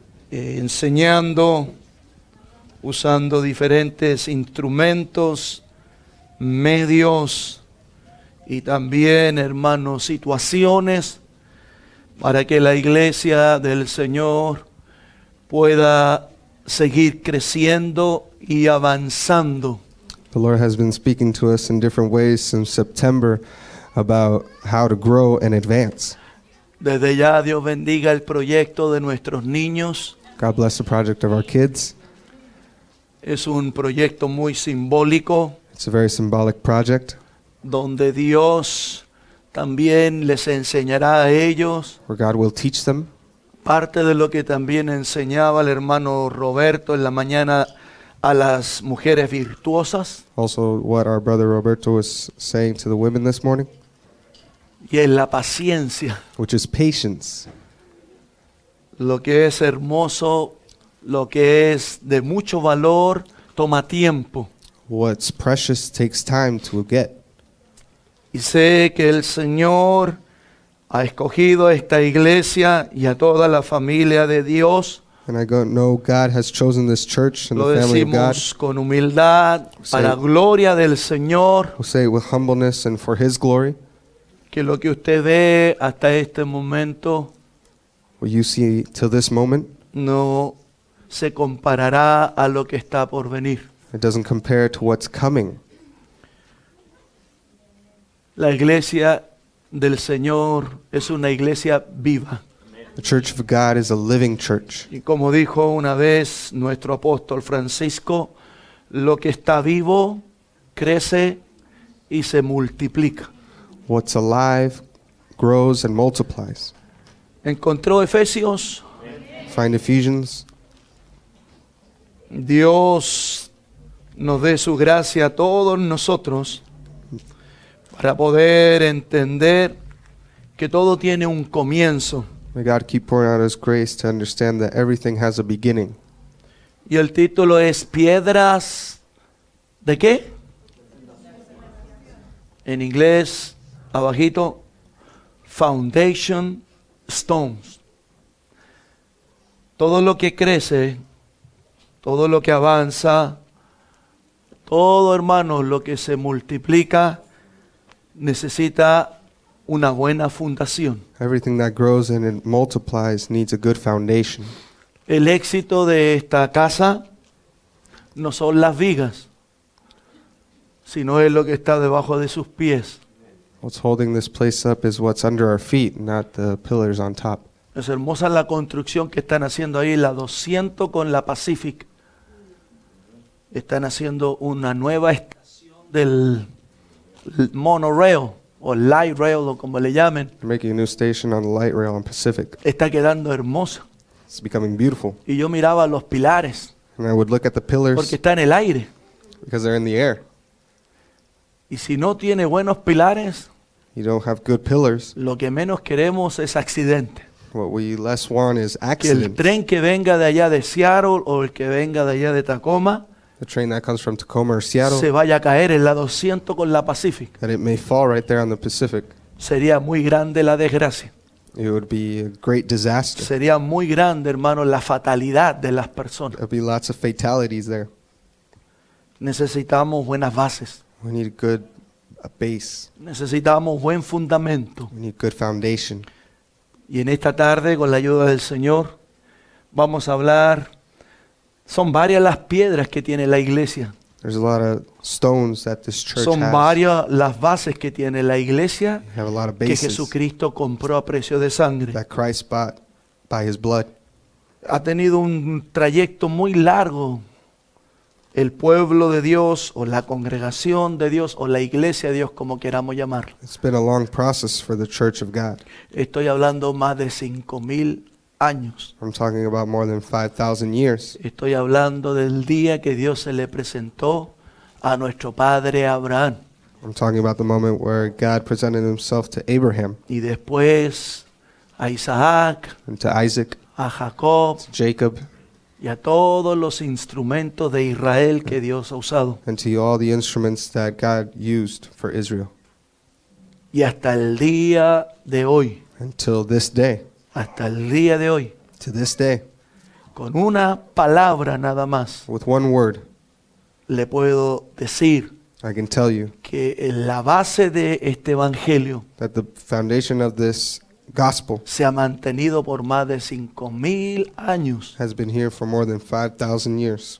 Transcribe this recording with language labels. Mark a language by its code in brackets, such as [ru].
[es] enseñando, usando diferentes instrumentos, medios y también, hermanos, situaciones para que la iglesia del Señor pueda seguir creciendo y avanzando. [en] The Lord has been speaking to us in different ways since September about how to grow and advance. [es] Desde ya, Dios bendiga el proyecto de nuestros niños. [en] God bless the project of our kids. [es] Es un proyecto muy simbólico. [en] It's a very symbolic project. [es] Donde Dios también les enseñará a ellos. [en] Where God will teach them. [es] Parte de lo que también enseñaba el hermano Roberto en la mañana a las mujeres virtuosas. [en] Also what our brother Roberto was saying to the women this morning. [es] Y es la paciencia. [en] Which is patience. [es] Lo que es hermoso, lo que es de mucho valor, toma tiempo. [en] What's precious takes time to get. [es] Y sé que el Señor ha escogido esta iglesia y a toda la familia de Dios. [en] And I go, no, God has chosen this church and the family of God. [es] Lo decimos con humildad, para gloria del Señor. [en] We'll say it with humbleness and for His glory. [es] Que lo que usted ve hasta este momento, [en] what you see till this moment, [es] no se comparará a lo que está por venir. [en] It doesn't compare to what's coming. [es] La iglesia del Señor es una iglesia viva. [en] The Church of God is a living church. [es] Y como dijo una vez nuestro apóstol Francisco, lo que está vivo crece y se multiplica. [en] What's alive grows and multiplies. [es] Encontró Efesios. [en] Find Ephesians. [es] Dios nos dé su gracia a todos nosotros para poder entender que todo tiene un comienzo. [en] May God keep pouring out His grace to understand that everything has a beginning. [es] Y el título es Piedras de qué? En inglés, abajito, [en] Foundation Stones. [es] Todo lo que crece, todo lo que avanza, todo, hermanos, lo que se multiplica, necesita una buena fundación. [en] Everything that grows and it multiplies needs a good foundation. [es] El éxito de esta casa no son las vigas, sino es lo que está debajo de sus pies. [en] What's holding this place up is what's under our feet, not the pillars on top. [es] Es hermosa la construcción que están haciendo ahí, la 200 con la Pacific. Están haciendo una nueva estación del monorail o light rail o como le llamen. [en] They're making a new station on the light rail on Pacific. [es] Está quedando hermosa. [en] It's becoming beautiful. [es] Y yo miraba los pilares. [en] And I would look at the pillars. [es] Porque está en el aire. [en] Because they're in the air. [es] Y si no tiene buenos pilares, [en] you don't have good pillars, [es] lo que menos queremos es accidente. [en] What we less want is accidents. [es] Que el tren que venga de allá de Seattle o el que venga de allá de Tacoma, [en] the train that comes from Tacoma or Seattle, [es] se vaya a caer en la 200 con la Pacific. [en] That it may fall right there on the Pacific. [es] Sería muy grande la desgracia. [en] It would be a great disaster. [es] Sería muy grande, hermano, la fatalidad de las personas. [en] There'd be lots of fatalities there. [es] Necesitamos buenas bases. [en] We need a base. [es] Necesitamos buen fundamento. [en] We need good foundation. [es] Y en esta tarde, con la ayuda del Señor, vamos a hablar. Son varias las piedras que tiene la iglesia. [en] There's a lot of stones that this church [es] son [en] has. [es] Son varias las bases que tiene la iglesia. [en] You have a lot of bases [es] que Jesucristo compró a precio de sangre. [en] That Christ bought by His blood. [es] Ha tenido un trayecto muy largo. El pueblo de Dios, o la congregación de Dios, o la iglesia de Dios, como queramos llamarlo. [en] It's been a long process for the Church of God. [es] Estoy hablando más de 5,000 años. [en] I'm talking about more than 5,000 years. [es] Estoy hablando del día que Dios se le presentó a nuestro padre Abraham. [en] I'm talking about the moment where God presented himself to Abraham. [es] Y después a Isaac. [en] And to Isaac. [es] A Jacob. [en] To Jacob. [es] Y a todos los instrumentos de Israel que Dios ha usado. [en] And to all the instruments that God used for Israel. [es] Y hasta el día de hoy. [en] Until this day. [es] Hasta el día de hoy. [en] To this day. [es] Con una palabra nada más. [en] With one word. [es] Le puedo decir. [en] I can tell you. [es] Que la base de este evangelio. [en] That the foundation of this gospel. [es] Se ha mantenido por más de 5,000 años. [en] Has been here for more than 5,000 years.